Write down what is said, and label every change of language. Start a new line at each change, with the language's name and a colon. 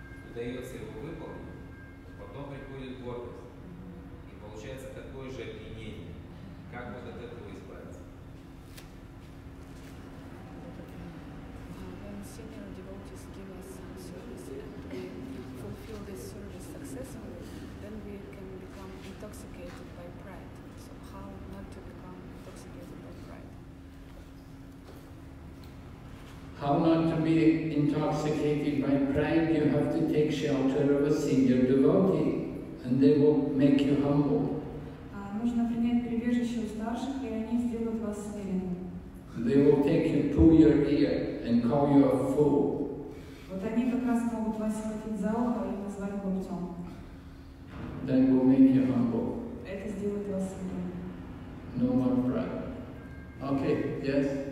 Russian: Удается его выполнить, потом приходит гордость. И получается такое же обвинение. Как вот от этого избавиться?
English: When senior devotees give us some service and we fulfill this service successfully, then we can become intoxicated by pride. So how not to become intoxicated by pride? How not to be intoxicated by pride, you have to take shelter of a senior devotee, and they will make you humble.
Russian: Нужно принять прибежище у старших, и они сделают вас смиренным.
English: They will take you, pull your ear, and call you a fool.
Russian: Вот они как раз могут вас схватить за ухо и назвать глупцом.
English: They will make you humble.
Russian: Это сделает вас смиренным.
English: No more pride. Okay, yes?